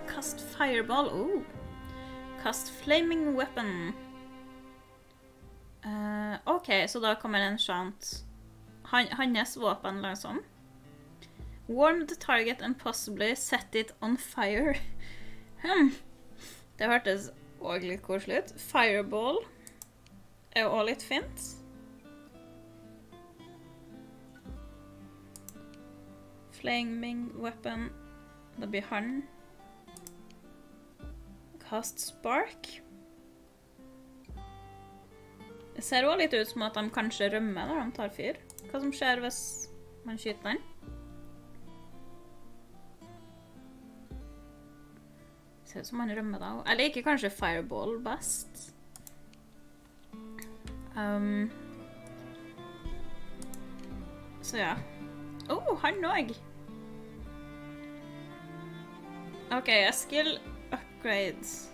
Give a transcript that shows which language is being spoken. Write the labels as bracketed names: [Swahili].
[English] Kast fireball. Oh. Kast flaming weapon. [Norwegian] Ok, så da kommer en chant. Hans våpen langsom. [English] Warm the target and possibly set it on fire. [Norwegian] Det hørtes også litt koselig ut. Fireball er også litt fint. Flaming weapon. Da blir han. [English] Cast spark. [Norwegian] Det ser også litt ut som at de kanskje rømmer når de tar fyr. Hva som skjer hvis man skyter den? Det ser ut som han rømmer da. Jeg liker kanskje fireball best. Så ja. Oh, han også! Ok, jeg skal upgrade.